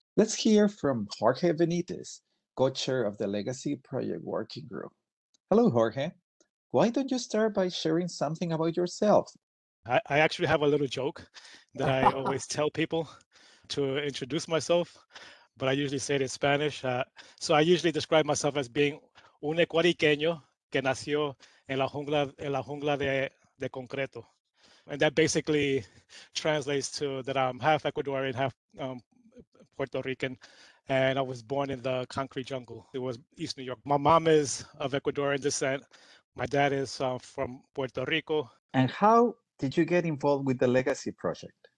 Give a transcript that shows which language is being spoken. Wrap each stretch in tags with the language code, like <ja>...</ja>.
<en>Let's hear from Jorge Benitez, co-chair of the Legacy Project Working Group. Hello, Jorge. Why don't you start by sharing something about yourself? I actually have a little joke that I always tell people to introduce myself, but I usually say it in Spanish. So I usually describe myself as being</en> <es>un ecuariqueño que nació en la jungla de concreto.</es> <en>And that basically translates to that I'm half Ecuadorian, half Puerto Rican, and I was born in the concrete jungle. It was East New York. My mom is of Ecuadorian descent. My dad is from Puerto Rico. And how did you get involved with the Legacy Project?</en>